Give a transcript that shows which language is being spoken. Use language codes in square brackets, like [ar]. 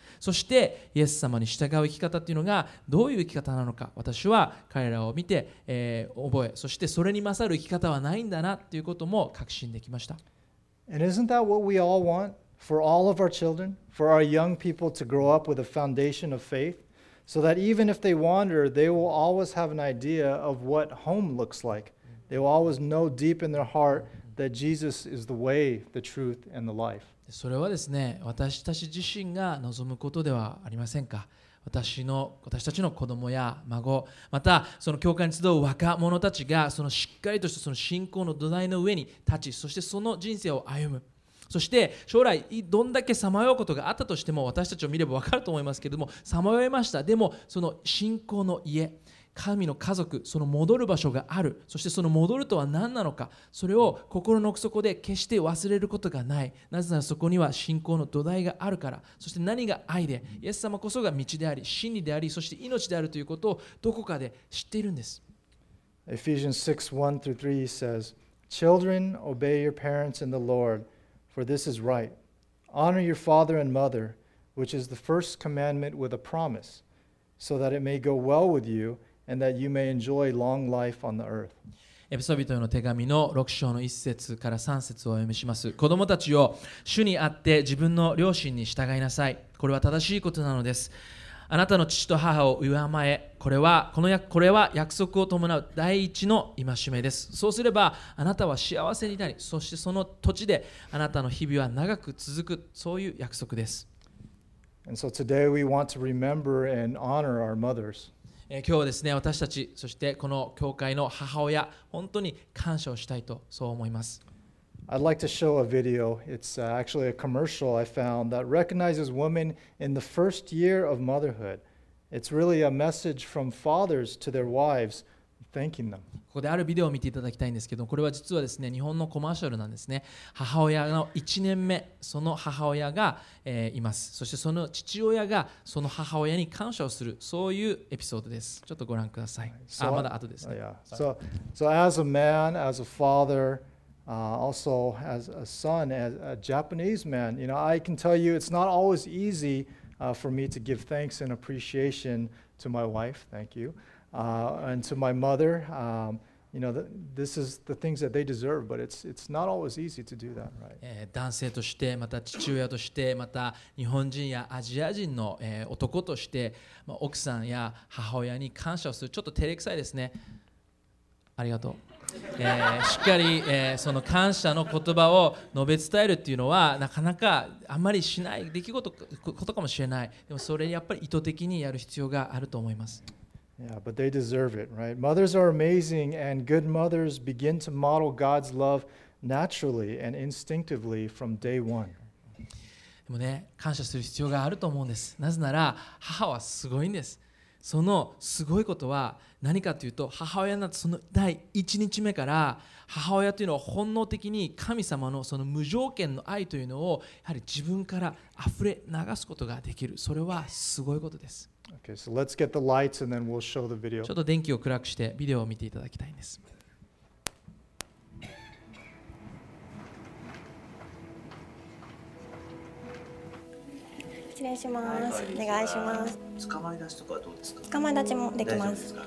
[ja] そしてイエス様に従う生き方っていうのがどういう生き方なのか、私は彼らを見て、覚え、そしてそれに勝る生き方はないんだなっていうことも確信できました。 [en] And isn't that what we all want? For all of our children, for our young people to grow up with a foundation of faith, so that even if they wander, they will always have an idea of what home looks like. They will always know deep in their heart that Jesus is the way, the truth, and the life. [ja] それはですね、私たち自身が望むことではありませんか。私たちの子供や孫、またその教会に集う若者たちが、そのしっかりとしたその信仰の土台の上に立ち、そしてその人生を歩む。そして将来どんだけさまようことがあったとしても、私たちを見れば分かると思いますけれども、さまよいました。でもその信仰の家、神の家族、その戻る場所がある。そしてその戻るとは何なのか、それを心の奥底で決して忘れることがない。なぜならそこには信仰の土台があるから。そして何が愛で、イエス様こそが道であり真理であり、そして命であるということをどこかで知っているんです。 [en] Ephesians 6:1-3 says, Children, obey your parents in the LordFor this is right. Honor your father and mother, which is the first commandment with a promise, so that it may go well with you and that you may enjoy long life on the earth. [ja] エペソ人への手紙の6章の1節から3節をお読みします。子供たちを主にあって自分の両親に従いなさい。これは正しいことなのです。あなたの父と母を敬え。これは約束を伴う第一の戒めです。そうすればあなたは幸せになり、そしてその土地であなたの日々は長く続く、そういう約束です。 [en] And so today we want to remember and honor our mothers. [ja] 今日はですね、私たち、そしてこの教会の母親、本当に感謝をしたいと、そう思います。 [en] I'd like to show a video. It's actually a commercial I found that recognizes women in the first year of motherhood. It's really a message from fathers to their wives, thanking them. [ja] ここであるビデオを見ていただきたいんですけど、これは実はですね、日本のコマーシャルなんですね。母親の1年目、その母親が、います。そしてその父親がその母親に感謝をする、そういうエピソードです。ちょっとご覧ください。 [en] So, [ja] まだ後ですね。 [en] So as a man, as a father,also as a son, as a Japanese man, you know, I can tell you it's not always easy for me to give thanks and appreciation to my wife, thank you, and to my mother, you know, this is the things that they deserve, but it's not always easy to do that, right? [ja] 男性として、また父親として、また日本人やアジア人の、男として、まあ、奥さんや母親に感謝をする。ちょっと照れくさいですね。ありがとう。しっかり、その感謝の言葉を述べ伝えるっていうのはなかなかあんまりしない出来事ことかもしれない。でもそれやっぱり意図的にやる必要があると思います。 [en] Yeah, but they deserve it, right? Mothers are amazing, and good mothers begin to model God's love naturally and instinctively from day one. [ja] でもね、感謝する必要があると思うんです。なぜなら母はすごいんです。そのすごいことは何かというと、母親のその第1日目から母親というのは本能的に神様のその無条件の愛というのをやはり自分から溢れ流すことができる。それはすごいことです。 [en] Okay, so let's get the lights and then we'll show the video. [ja] ちょっと電気を暗くしてビデオを見ていただきたいんです。失礼します。はいはい、お願いします。捕まり立ちとかはどうですか？捕まり立ちもできます。